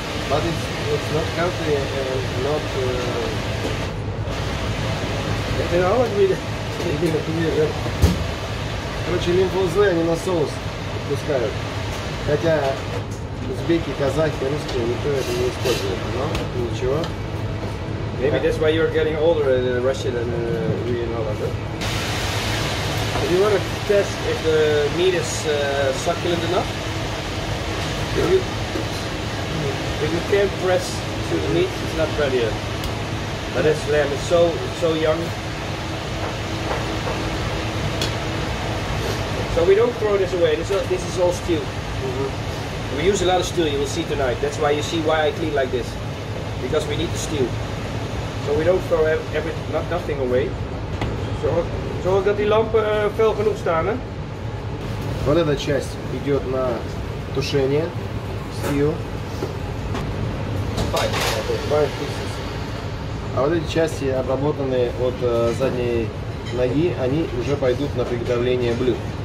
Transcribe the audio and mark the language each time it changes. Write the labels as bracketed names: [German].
[English] But it's not healthy and not [Russian] Короче, лимфоузлы, они на соус отпускают. Хотя узбеки, казахи, русские, никто это не использует, но ничего. [English] Maybe that's why you're getting older in Russia than we in Holland. Do you want to test if the meat is succulent enough? If you can't press to the meat, it's not ready yet. But this lamb is so young. So we don't throw this away. This is all stew. Mm-hmm. We use a lot of stew. You will see tonight. That's why you see why I clean like this, because we need the stew. So we don't throw everything, nothing away. [Dutch] Zorg dat die lampen fel genoeg staan, hè? [Russian] Вот эта часть идет на тушение. Сью. А вот эти части, обработанные от задней ноги, они уже пойдут на приготовление блюд.